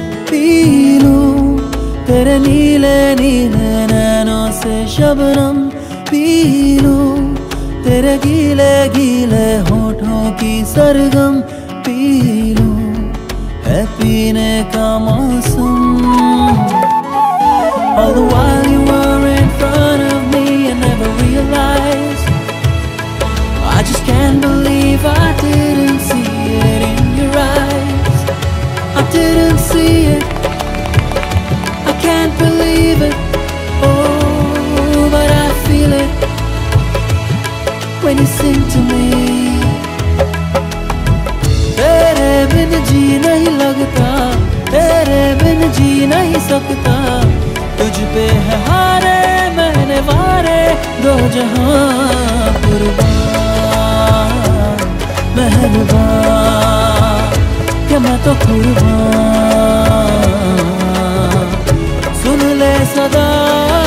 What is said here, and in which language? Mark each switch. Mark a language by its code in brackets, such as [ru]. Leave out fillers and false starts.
[hi] पीलू तेरे नीले नीले नैनों से शबनम, पीलू तेरे गीले गीले होठों की सरगम, पीलू है पीने का मौसम। [en] All the while you were in front of me, I never realized. I just can't believe I didn't see it in your eyes. I didn't see it. I can't believe it. Oh, but I feel it when you sing to me. [hi] जी नहीं लगता तेरे बिन, जी नहीं सकता तुझ पे है हारे, मैंने वारे दो जहां कुर्बान, मेहरबान क्या मैं तो कुर्बान, सुन ले सदा।